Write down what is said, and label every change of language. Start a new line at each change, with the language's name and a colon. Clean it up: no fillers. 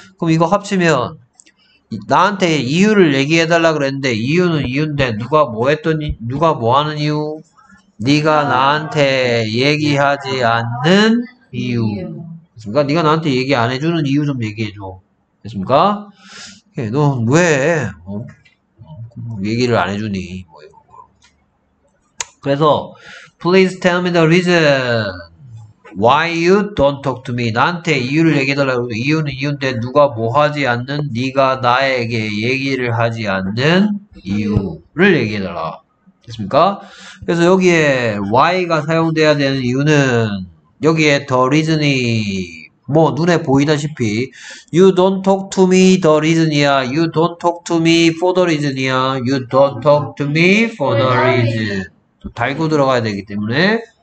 Korean: 그럼 이거 합치면 나한테 이유를 얘기해달라 그랬는데 이유는 이유인데 누가 뭐 했더니 누가 뭐 하는 이유? 네가 나한테 얘기하지 않는 이유. 됐습니까? 네가 나한테 얘기 안 해주는 이유 좀 얘기해줘. 됐습니까? 예, 넌 왜 얘기를 안 해주니? 뭐 이거. 그래서
English: please tell me the reason why you don't talk to me.
Korean: 나한테 이유를 얘기해달라고. 이유는 이유인데 누가 뭐 하지 않는 네가 나에게 얘기를 하지 않는 이유를 얘기해달라. 됐습니까? 그래서 여기에 why가 사용돼야 되는 이유는 여기에 the reason이 뭐 눈에 보이다시피
English: you don't talk to me the reason
Korean: 이야
English: you don't talk to me for the reason
Korean: 이야
English: you don't talk to me for the reason
Korean: 달고 들어가야 되기 때문에